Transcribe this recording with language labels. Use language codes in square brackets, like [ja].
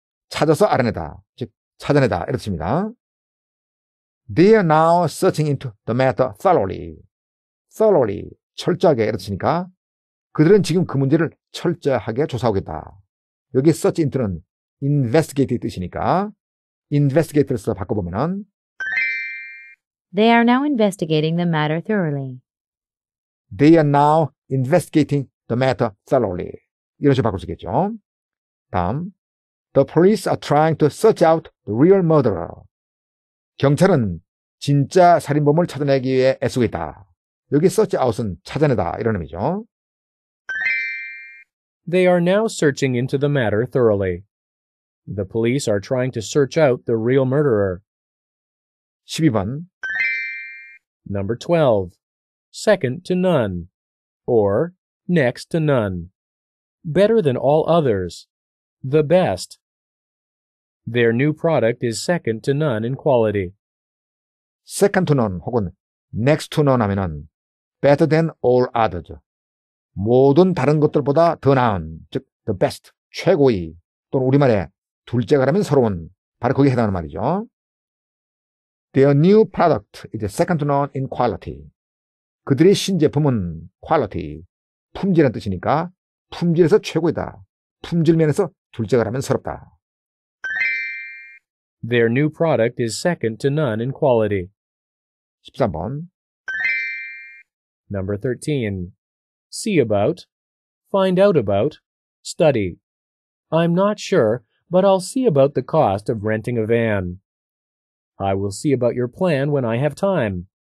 [ko] 찾아서 알아내다, 즉 찾아내다, 이런 뜻입니다. [en] They are now searching into the matter thoroughly. [ko] Thoroughly, 철저하게, 이런 뜻이니까 그들은 지금 그 문제를 철저하게 조사하겠다. 여기 search into는 investigate 뜻이니까 investigate를 써서 바꿔보면 [en] They are now investigating the matter thoroughly. They are now investigating the matter thoroughly. [ko] 이런 식으로 바꿀 수 있겠죠. [en] 다음, The police are trying to search out the real murderer. [ko] 경찰은 진짜 살인범을 찾아내기 위해 애쓰고 있다. 여기 search out은 찾아내다 이런 의미죠. [en] They are now searching into the matter thoroughly. The police are trying to search out the real murderer. [ko] 12번 [en] Number 12. Second to none. Or, next to none. Better than all others. The best. Their new product is second to none in quality. Second to none 혹은 next to none 하면은 better than all others. [ko] 모든 다른 것들보다 더 나은, 즉, [en] the best, [ko] 최고의, 또는 우리말에 둘째가라면 서러운, 바로 거기에 해당하는 말이죠. [en] Their new product is second to none in quality. [ko] 그들의 신제품은 quality, 품질이라는 뜻이니까 품질에서 최고이다. 품질 면에서 둘째가라면 서럽다. [en] Their new product is second to none in quality. [ko] 13번 [en] Number 13 See about, find out about, study. I'm not sure, but I'll see about the cost of renting a van. I will see about your plan when I have time.